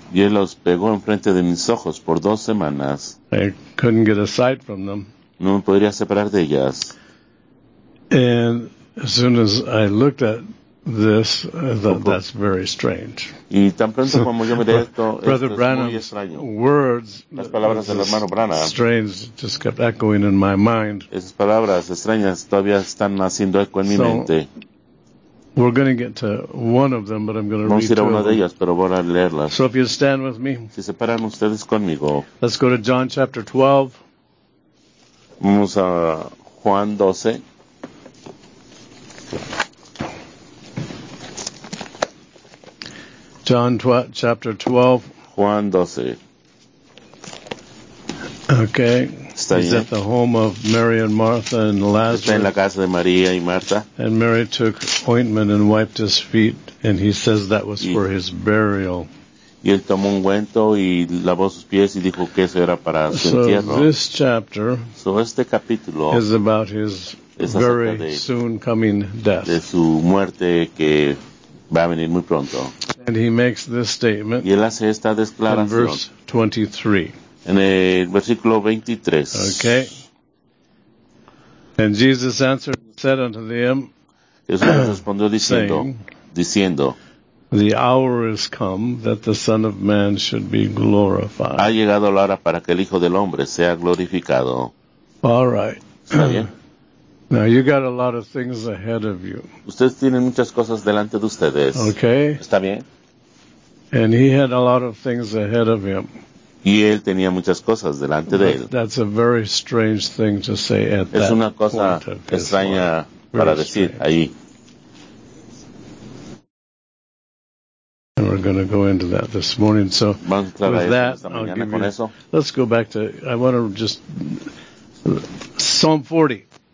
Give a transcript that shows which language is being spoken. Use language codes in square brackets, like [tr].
[es] Y él los pegó enfrente de mis ojos por dos semanas. [en] I couldn't get aside from them. [es] No me podría separar de ellas. [en] And as soon as I looked at this, that's very strange. [es] Y tan pronto como yo miré esto, [en] Brother Branham's words, [es] las palabras del hermano Branham, [en] strange, just kept echoing in my mind. [es] Esas palabras extrañas todavía están haciendo eco en [en] so, [es] mi mente. [en] We're going to get to one of them, but I'm going to [es] vamos [en] read [es] a una [en] two [es] de ellas, pero voy a leerlas. [en] So if you stand with me, [es] si se paran ustedes conmigo, [en] let's go to John chapter 12. [es] Vamos a Juan 12. [en] John chapter 12. [es] Juan 12. [en] Okay. [es] está [en] He's [es] ahí. [en] At the home of Mary and Martha and Lazarus. [es] Está en la casa de María y Marta. [en] And Mary took ointment and wiped his feet, and he says that was for his burial. [es] Y él tomó ungüento y lavó sus pies y dijo que eso era para su entierro. [en] So this chapter [es] este capítulo [en] is about his very soon coming death. [es] De su muerte que va a venir muy pronto. [en] And he makes this statement [es] y él hace esta [en] declaración in verse 23. [es] En el versículo 23. [en] Okay. And Jesus answered and said unto them, [es] diciendo, [en] the hour is come that the Son of Man should be glorified. [es] Ha llegado la hora para que el Hijo del Hombre sea glorificado. [en] All right. [es] ¿Está bien? [en] Now you got a lot of things ahead of you. [es] Ustedes tienen muchas cosas delante de ustedes. [en] Okay. [es] ¿Está bien? [en] And he had a lot of things ahead of him. [es] Y él tenía muchas cosas delante de él. [en] That's a very strange thing to say at that point. [es] Es una cosa extraña para decir ahí. [en] And we're going to go into that this morning. So with that, I'll give you, let's go back to, I want to just, Psalm 40.